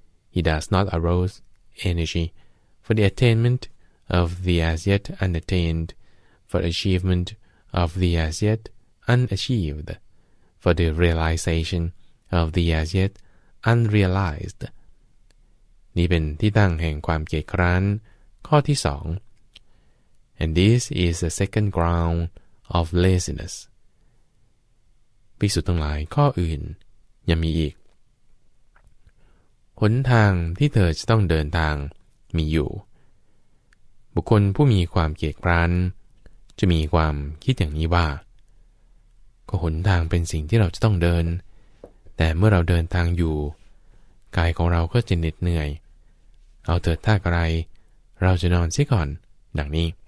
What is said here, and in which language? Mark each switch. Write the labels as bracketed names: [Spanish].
[English] He does not arouse energy for the attainment of the as yet unattained. For achievement of the as yet unachieved, for the realization of the as yet unrealized. [Thai] นี่เป็นที่ตั้งแห่งความเกียจคร้านข้อที่สอง [English] And this is the second ground of laziness. [Thai] ภิกษุทั้งหลายข้ออื่นยังมีอีกหนทางที่เธอจะต้องเดินทางมีอยู่บุคคลผู้มีความเกียจคร้านจะมีความคิดอย่างนี้ว่าก็หนทางเป็นสิ่งที่เราจะต้องเดินแต่เมื่อเราเดินทางอยู่กายของเราก็จะเหน็ดเหนื่อยเอาเถิดถ้าใครเราจะนอนเสียก่อนดังนี้